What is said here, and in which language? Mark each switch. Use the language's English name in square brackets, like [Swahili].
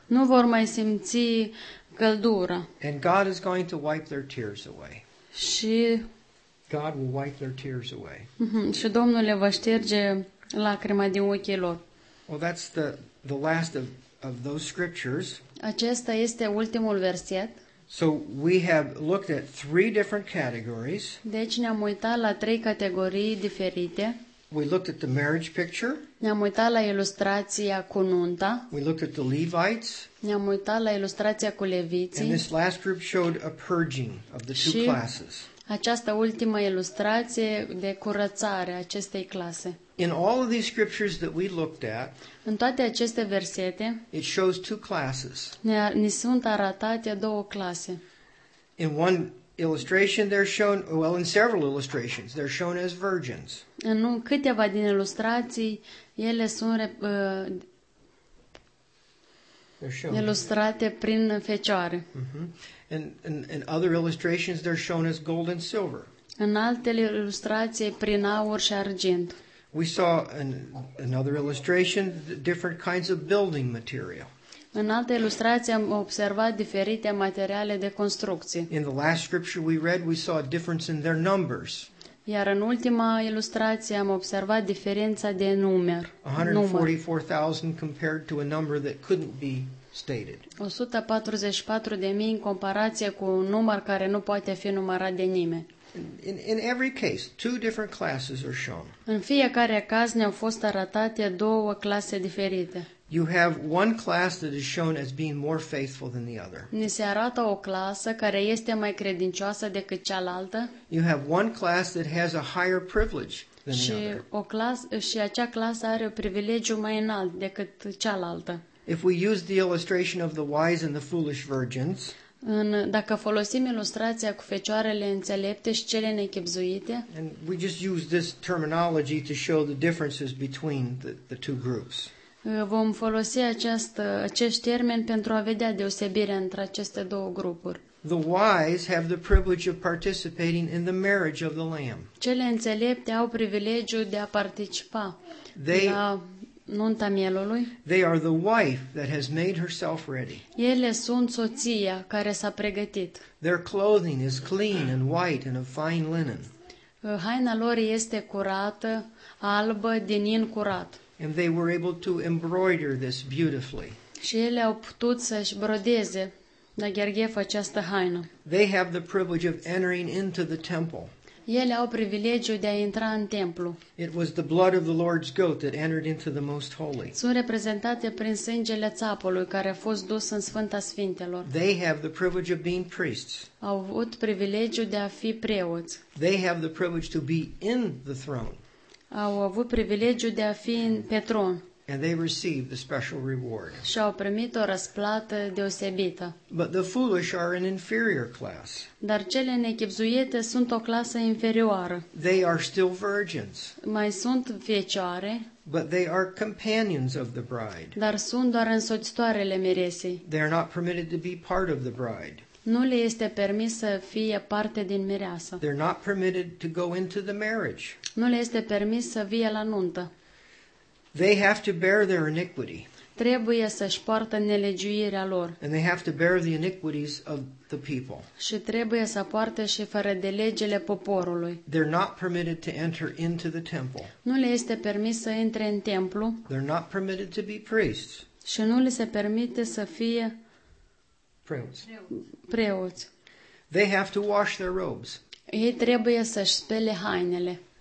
[Romanian] Nu vor mai simți căldura. [English] And God is going to wipe their tears away. [Romanian] Și [English] God will wipe their tears away. [Romanian] Și Domnul le va șterge lacrima din ochii lor. [English] Well, that's the last of those scriptures. [Romanian] Acesta este ultimul verset. [English] So we have looked at three different categories. [Romanian] Deci ne-am uitat la trei categorii diferite. [English] We looked at the marriage picture. [Romanian] Ne-am uitat la ilustrația cu nunta. [English] We looked at the Levites. [Romanian] Ne-am uitat la ilustrația cu leviții. [English] And this last group showed a purging of the two classes. [Romanian] Și această ultimă ilustrație de curățare a acestei clase. [English] In all of these scriptures that we looked at, [Romanian] în toate aceste versete, [English] it shows two classes. [Romanian] Ne sunt arătate două clase. [English] In one illustration they're shown, well, in several illustrations they're shown as virgins. [Romanian] În câteva din ilustrații ele sunt [English] They're shown. [Romanian] Ilustrate prin fecioare. [English] And other illustrations they're shown as gold and silver. [Romanian] În alte ilustrații prin aur și argint. [English] We saw another illustration, different kinds of building material. [Romanian] În alte ilustrații am observat diferite materiale de construcție. [English] In the last scripture we read, we saw a difference in their numbers. [Romanian] Iar în ultima ilustrație am observat diferența de număr. [English] 144,000 compared to a number that couldn't be stated. [Romanian] 144,000 în comparație cu un număr care nu poate fi numărat de nimeni. [English] In every case, two different classes are shown. [Romanian] În fiecare caz ne-au fost arătate două clase diferite. [English] You have one class that is shown as being more faithful than the other. [Romanian] Ne se arată o clasă care este mai credincioasă decât cealaltă. [English] You have one class that has a higher privilege than [Romanian] și [English] the other. [Romanian] Și acea clasă are un privilegiu mai înalt decât cealaltă. [English] If we use the illustration of the wise and the foolish virgins, [Romanian] dacă folosim ilustrația cu fecioarele înțelepte și cele nechipzuite, [English] and we just use this terminology to show the differences between the two groups. [Romanian] Vom folosi acest termen pentru a vedea deosebirea între aceste două grupuri. [English] The wise have the privilege of participating in the marriage of the Lamb. [Romanian] Cele înțelepte au privilegiul de a participa la nunta mielului. [English] They are the wife that has made herself ready. [Romanian] Ele sunt soția care s-a pregătit. [English] Their clothing is clean and white and of fine linen. [Romanian] Haina lor este curată, albă, din in curat. [English] And they were able to embroider this beautifully. [Romanian] Și ele au putut să-și brodeze la gherghefă această haină. [English] They have the privilege of entering into the temple. [Romanian] Ele au privilegiul de a intra în templu. [English] It was the blood of the Lord's goat that entered into the most holy. [Romanian] Sunt reprezentate prin sângele țapului care a fost dus în Sfânta Sfintelor. [English] They have the privilege of being priests. [Romanian] Au avut privilegiul de a fi preoți. [English] They have the privilege to be in the throne. [Romanian] Au avut privilegiul de a fi pe tron. [English] And they received the special reward. [Romanian] Și au primit o răsplată deosebită. [English] But the foolish are an inferior class. [Romanian] Dar cele nechipzuite sunt o clasă inferioară. [English] They are still virgins. [Romanian] Mai sunt fecioare. [English] But they are companions of the bride. [Romanian] Dar sunt doar însoțitoarele miresei. [English] They are not permitted to be part of the bride. [Romanian] Nu le este permis să fie parte din mireasă. [English] They're not permitted to go into the marriage. [Romanian] Nu le este permis să vie la nuntă. [English] They have to bear their iniquity. [Romanian] Trebuie să-și poartă nelegiuirea lor. [English] And they have to bear the iniquities of the people. [Romanian] Și trebuie să poarte și fără de legile poporului. [English] They're not permitted to enter into the temple. [Romanian] Nu le este permis să intre în templu. [English] They're not permitted to be priests. [Romanian] Și nu le se permite să fie preoți. [English] They have to wash their robes. [Romanian] Ei trebuie să-și spele hainele.